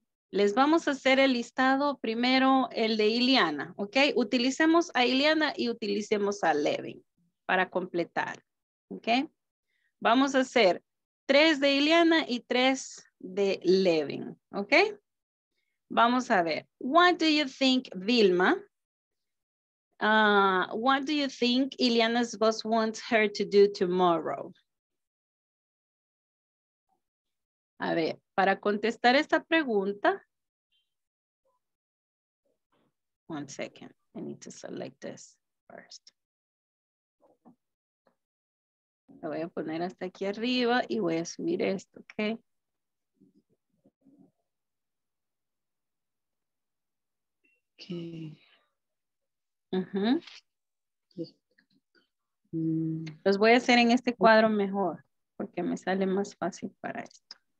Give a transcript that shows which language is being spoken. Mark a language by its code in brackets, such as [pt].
[es] Les vamos a hacer el listado primero, el de Ileana, ¿ok? Utilicemos a Ileana y utilicemos a Levin para completar, ¿ok? Vamos a hacer tres de Ileana y tres de Levin, ¿ok? Vamos a ver. [en] What do you think, Vilma? What do you think Ileana's boss wants her to do tomorrow? [es] A ver, para contestar esta pregunta. [en] One second, I need to select this first. [es] Lo voy a poner hasta aquí arriba y voy a subir esto, ¿ok? [en] Ok. [es] Los voy a hacer en este cuadro mejor, porque me sale más fácil para esto.